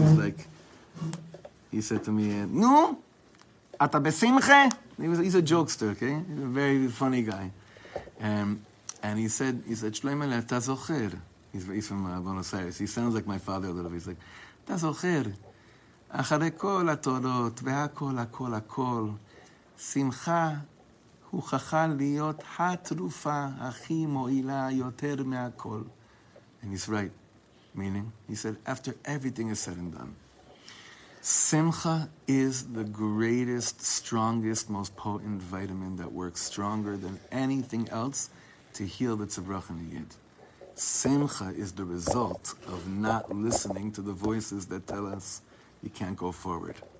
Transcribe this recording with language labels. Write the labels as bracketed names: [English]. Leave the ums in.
[English] He's like, he said to me, uh, [Hebrew] "No, ata besimche." [English] He was, he's a jokester, okay? He's a very funny guy, um, and he said, he said, [Hebrew] "Shloimeh, ata zocher." [English] He's, he's from uh, Buenos Aires. He sounds like my father a little bit. He's like, [Hebrew] "Ata zocher." אחרי כל התודות והכל הכל הכל, שמחה הוכחה להיות התרופה הכי מועילה יותר מהכל. [English] And he's right. Meaning, he said, after everything is said and done, Simcha is the greatest, strongest, most potent vitamin that works stronger than anything else to heal the tzibrach and the yid. Simcha is the result of not listening to the voices that tell us you can't go forward.